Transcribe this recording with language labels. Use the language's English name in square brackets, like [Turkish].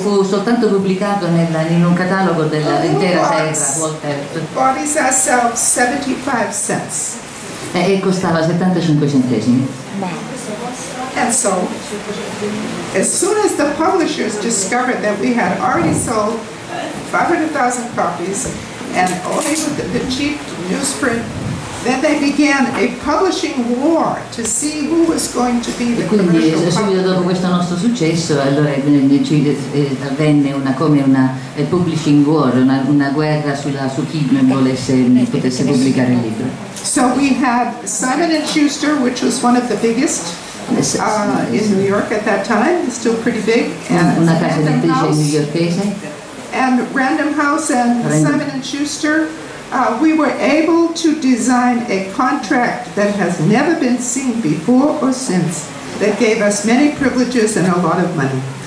[Italian] Fu soltanto pubblicato in un catalogo dell'intera terra. [English] Bodies ourselves 75 cents. [Italian] E costava 75 centesimi. [English] And so, as soon as the publishers discovered that we had already sold 500,000 copies, and only with the cheap newsprint, then they began a publishing war to see who was going to be the commercial publisher. [Italian] E quindi subito dopo questo nostro successo, allora avvenne una [English] publishing war, [Italian] una guerra su chi potesse pubblicare il libro. [English] So we had Simon & Schuster, which was one of the biggest in New York at that time, still pretty big, [Italian] and una casa editrice newyorkese. [English] And Random House and Simon & Schuster, we were able to design a contract that has never been seen before or since, that gave us many privileges and a lot of money.